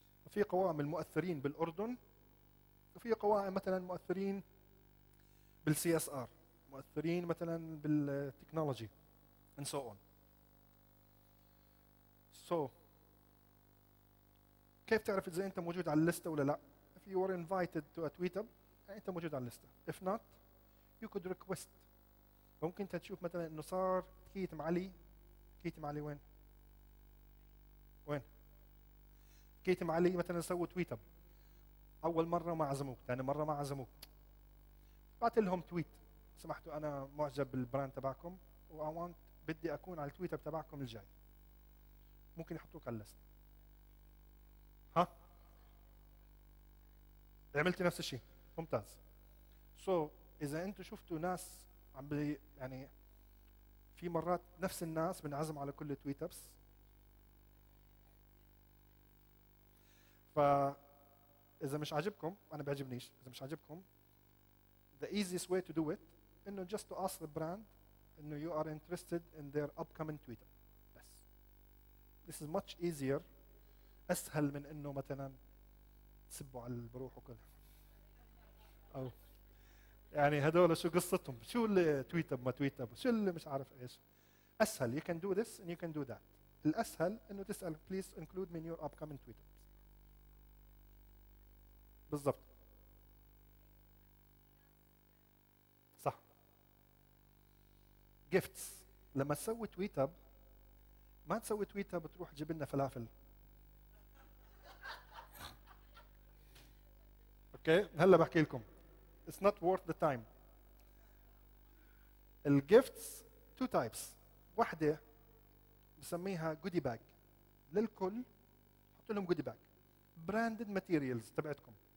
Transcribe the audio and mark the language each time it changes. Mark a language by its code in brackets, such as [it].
[ar] في قوائم المؤثرين بالأردن وفي قوائم مثلا مؤثرين بالسي اس ار، مؤثرين مثلا بالتكنولوجي [en] and so on. [ar] So كيف تعرف إذا أنت موجود على الليستة ولا لا؟ [en] If you were invited to a tweetup [ar] أنت موجود على الليستة. [en] If not you could request. [ar] ممكن تشوف مثلا إنه صار كيت معلي. كيت معلي وين؟ وين؟ كيت معلي مثلا سوى تويتب أول مرة ما عزموك، ثاني مرة ما عزموك. بعت لهم تويت، سمحتوا أنا معجب بالبراند تبعكم و [en] I want [ar] بدي أكون على التويتب تبعكم الجاي. ممكن يحطوك على الليست. ها؟ عملتي نفس الشيء، ممتاز. So إذا أنتوا شفتوا ناس عم بي يعني في مرات نفس الناس بنعزم على كل تويتبس. فإذا مش عاجبكم أنا بعجبنيش، إذا مش عاجبكم [en] the easiest way to do it [ar] إنه [en] just to ask the brand [ar] إنه [en] you are interested in their upcoming Twitter. بس this is much easier. [ar] أسهل من إنه مثلاً تسبوا على البروح وكل أو يعني هذول شو قصتهم؟ شو اللي تويتب ما تويتب؟ شو اللي مش عارف إيش؟ أسهل [en] you can do this and you can do that. [ar] الأسهل إنه تسأل [en] please include me in your upcoming Twitter. [ar] بالضبط صح. gifts لما تسوي تويتب ما تسوي تويتب تروح تجيب لنا فلافل. اوكي هلا بحكي لكم [en] it's not worth the time. الgifts two types. [ar] واحدة بسميها goodie bag للكل، حط لهم goodie bag [en] branded materials [ar] تبعتكم.